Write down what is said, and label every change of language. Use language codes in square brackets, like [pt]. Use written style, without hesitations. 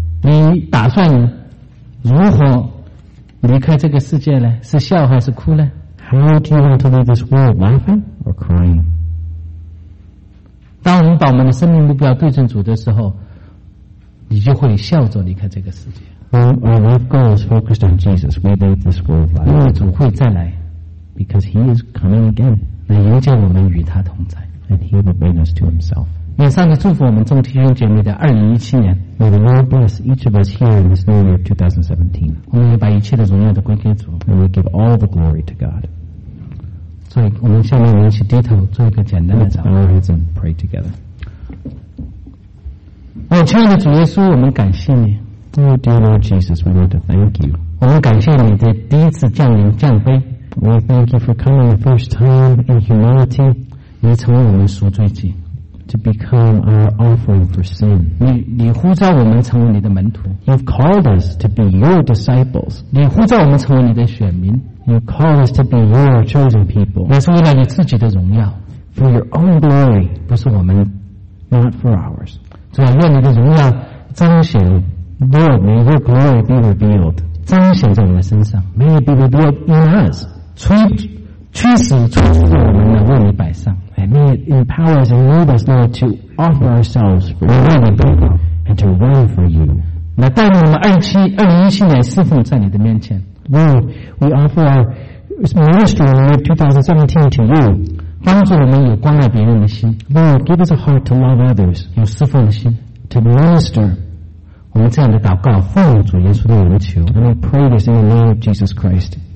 [zh] 你打算如何离开这个世界呢？是笑还是哭呢？ [en] How do you want to leave this world, laughing or crying? [zh] 当我们把我们的生命目标对准主的时候，你就会笑着离开这个世界。 [en] Our life goal is focused on Jesus. We live this world by. [zh] 因为主会再来 [en] ，because He is coming again. [zh] 来迎接我们与他同在 [en] ，and He will bring us to Himself. [zh] 愿上帝祝福我们众弟兄姐妹的2017年。 [en] May the Lord bless each of us here in this new year of 2017. [zh] 我们要把一切的荣耀都归给主。 [en] And we give all the glory to God. [zh] 所以我们下面我们一起低头做一个简单的祷告 [en] Let's pray together [zh] 我亲爱的主耶稣我们感谢你 [en] Oh dear Lord Jesus we want to thank you [zh] 我们感谢你的第一次降临降杯 [en] We thank you for coming the first time in humility [zh] 来成为我们赎罪祭。 [en] To become our offering for sin. [zh] 你呼召我们成为你的门徒。 [en] You've called us to be your disciples. [zh] 你呼召我们成为你的选民。 [en] You've called us to be your chosen people. [zh] 乃是为了你自己的荣耀。 [en] For your own glory, [zh] 不是我们 [en] not for ours. [zh] 主啊，愿你的荣耀彰显。 [en] Lord, may your glory be revealed. [zh] 彰显在我们身上。 [en] May it be revealed in us. [zh] 驱使我们能为你摆上。 [en] And may it empower us and move us, Lord, to offer ourselves for you and to run for you. [zh] 那带领我们2017年侍奉在你的面前。 [en] Lord, we offer our ministry in the year 2017 to you. [zh] 帮助我们有关爱别人的心。 [en] Lord, give us a heart to love others. [zh] 有侍奉的心。 [en] To minister. [zh] 我们这样的祷告，奉主耶稣的名求。 [en] And we pray this in the name of Jesus Christ.